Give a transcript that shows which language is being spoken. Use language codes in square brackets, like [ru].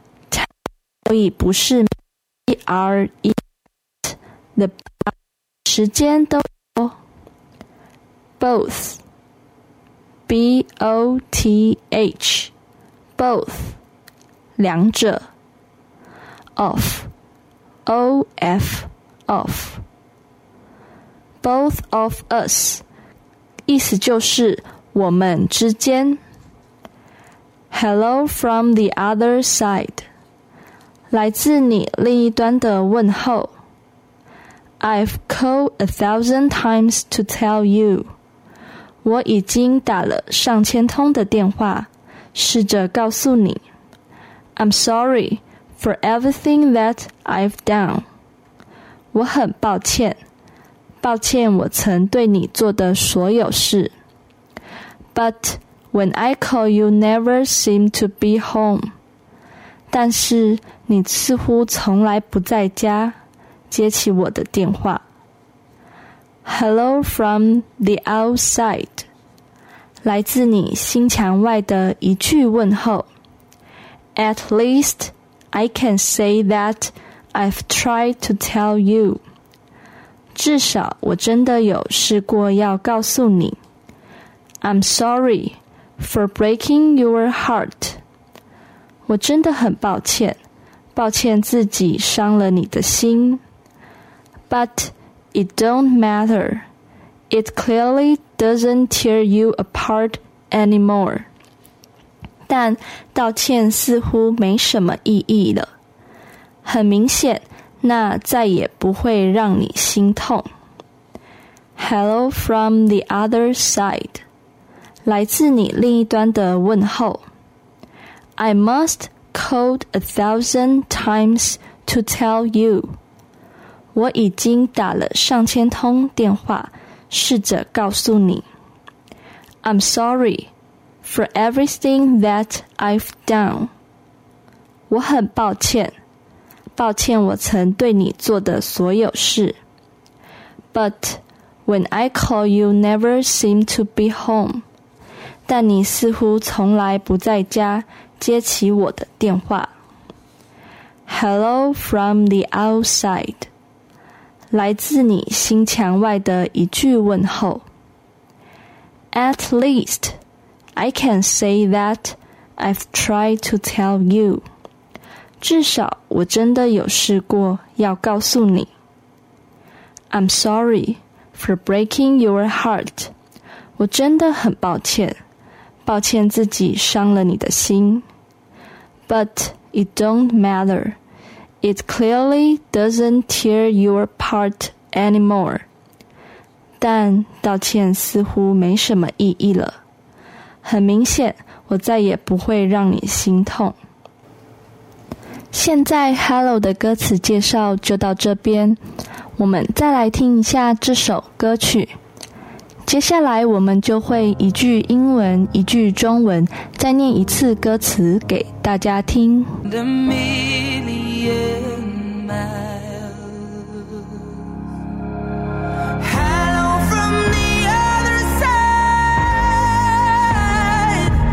[zh] 它所以不是 PRE， 的时间都有 Both， B-O-T-H， Both， 两者 Off， O-F， Off， [en] Both of us， [zh] 意思就是我们之间。 [en] Hello from the other side， [zh] 来自你另一端的问候。 [en] I've called 1,000 times to tell you， [zh] 我已经打了上千通的电话，试着告诉你。 [en] I'm sorry for everything that I've done， [zh] 我很抱歉，抱歉我曾对你做的所有事。 [en] But when I call you never seem to be home， [zh] 但是你似乎从来不在家，接起我的电话。 [en] Hello from the outside， [zh] 来自你心墙外的一句问候。 [en] At least I can say that I've tried to tell you， [zh] 至少我真的有试过要告诉你。 [en] I'm sorry for breaking your heart， [zh] 我真的很抱歉，抱歉自己伤了你的心。 [en] But it don't matter， It clearly doesn't tear you apart anymore， [zh] 但道歉似乎没什么意义了，很明显那再也不会让你心痛。 [en] Hello from the other side， [zh] 来自你另一端的问候。 [en] I must code 1,000 times to tell you， [zh] 我已经打了上千通电话，试着告诉你。 [en] I'm sorry for everything that I've done. [zh] 我很抱歉，抱歉我曾对你做的所有事。 [en] But when I call you never seem to be home. [zh] 但你似乎从来不在家接起我的电话。 [en] Hello from the outside. [zh] 来自你心墙外的一句问候。 [en] At least, I can say that I've tried to tell you. [zh] 至少我真的有试过要告诉你。 [en] I'm sorry for breaking your heart. [zh] 我真的很抱歉，抱歉自己伤了你的心。 [en] But it don't matter. It clearly doesn't tear your part anymore. [zh] 但道歉似乎没什么意义了。很明显，我再也不会让你心痛。现在 Hello 的歌词介绍就到这边，我们再来听一下这首歌曲。接下来我们就会一句英文一句中文再念一次歌词给大家听。 [en] The million miles Hello from the other side